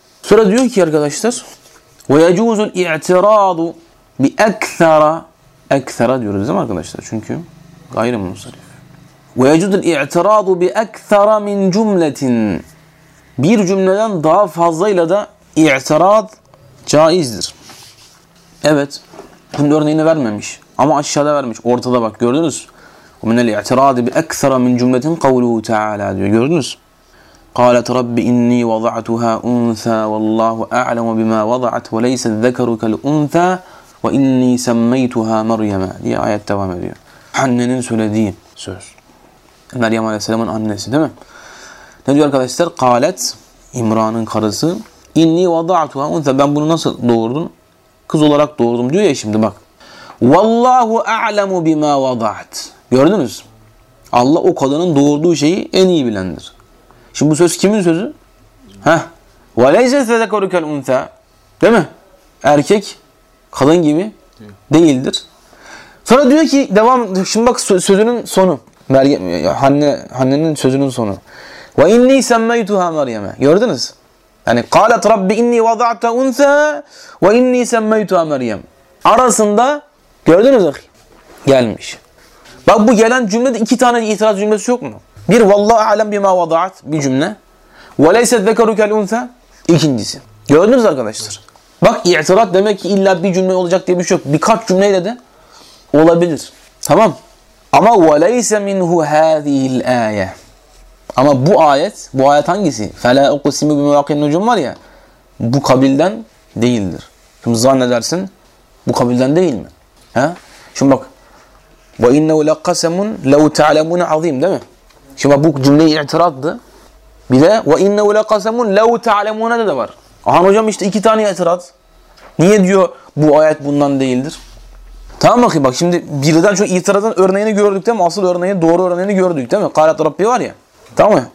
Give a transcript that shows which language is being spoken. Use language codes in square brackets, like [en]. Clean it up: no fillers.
[tr] Sonra diyor ki arkadaşlar [ar] وَيَجُوزُ الْاِعْتِرَاضُ بِأَكْثَرَ [tr] Ekthara diyoruz değil mi arkadaşlar? Çünkü gayrı münsarif. [ar] وَيَجُوزُ الْاِعْتِرَاضُ بِأَكْثَرَ مِنْ جُمْلَةٍ [tr] Bir cümleden daha fazlayla da i'tirad caizdir. Evet. Bunun örneğini vermemiş. Ama aşağıda vermiş. Ortada bak, gördünüz. [ar] وَمِنَ الْاِعْتِرَاضِ بِأَكْثَرَ مِنْ جُمْلَةٍ قَوْلُهُ تَعَالَى [tr] diyor. [ar] Gördünüz. قالت رب إني وضعتها أنثى والله أعلم بما وضعت وليس الذكر كالأنثى وإني سميتها مريم [tr] diye ayet devam ediyor. Annenin söylediği söz. Meryem Aleyhisselam'ın annesi değil mi? Ne diyor arkadaşlar? قالت İmran'ın karısı [ar] إني وضعتها أنثى [tr] ben bunu nasıl doğurdum? Kız olarak doğurdum diyor ya şimdi bak. [ar] Vallahu a'lemu bima vada'at. [tr] Gördünüz? Allah o kadının doğurduğu şeyi en iyi bilendir. Şimdi bu söz kimin sözü? Heh. [ar] Ve leyse zekerukel unsa. [tr] Değil mi? Erkek kadın gibi değildir. Sonra diyor ki devam, şimdi bak sözünün sonu. Meryem, annenin sözünün sonu. [ar] Ve inni semmeytuha Meryem. [tr] Gördünüz? Yani [ar] قالت ربي إني وضعت أنثى وإني سميتها مريم. [tr] Arasında gördünüz akı gelmiş. Bak bu gelen cümlede iki tane itiraz cümlesi yok mu? Bir [ar] vallahu alem bima vadaat, [tr] bir cümle. [ar] وليس ذكرك الأنثى, [tr] ikincisi. Gördünüz arkadaşlar. Bak itiraz demek ki illa bir cümle olacak diye bir şey yok. Birkaç cümleyle de olabilir. Tamam? Ama [ar] وليس منه هذه الآية. [tr] Ama bu ayet hangisi? [ar] فَلَا اُقْسِمُ بِمَوَاقِ النُّجُمْ [tr] var ya, bu kabilden değildir. Şimdi zannedersin, bu kabilden değil mi? Ha? Şimdi bak, [ar] وَاِنَّهُ لَقَّسَمُنْ لَوْ تَعْلَمُونَ عَظِيمٌ [tr] değil mi? Şimdi bak, bu cümleyi itirattı. Bir de [ar] وَاِنَّهُ لَقَسَمُنْ لَوْ تَعْلَمُونَ [tr] da var. Aha hocam işte iki tane itirat. Niye diyor bu ayet bundan değildir? Tamam bakayım bak, şimdi birden çok itirazın örneğini gördük değil mi? Asıl örneği, doğru örneğini gördük değil mi? [ar] قَالَتْ رَبِّي [tr] var ya. Tamam mı?